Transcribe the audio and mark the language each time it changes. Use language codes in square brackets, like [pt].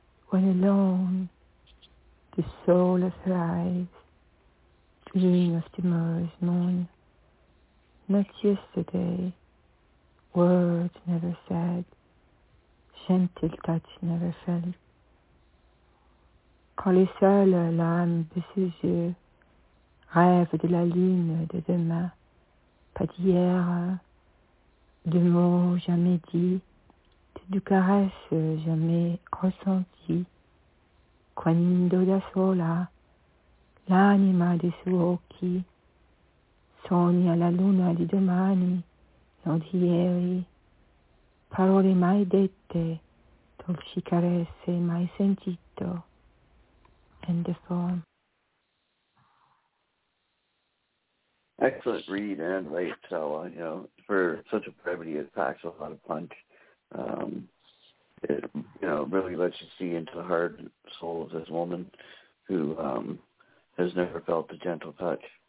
[en] When alone, the soul of her eyes, dream of tomorrow's moon. Not yesterday, words never said, gentle touch never felt. [fr] Quand le seul, l'âme de ses yeux, rêve de la lune de demain, pas d'hier, de mots jamais dits, de caresses jamais ressenties. [it] Quando da sola, l'anima de suo occhi, sogna la luna di domani, non di ieri, parole mai dette, dolci caresse mai sentito. [en] End of poem. Excellent read and late, so, you know, for such a brevity, it packs a lot of punch. It, you know, really lets you see into the heart and soul of this woman who has never felt the gentle touch.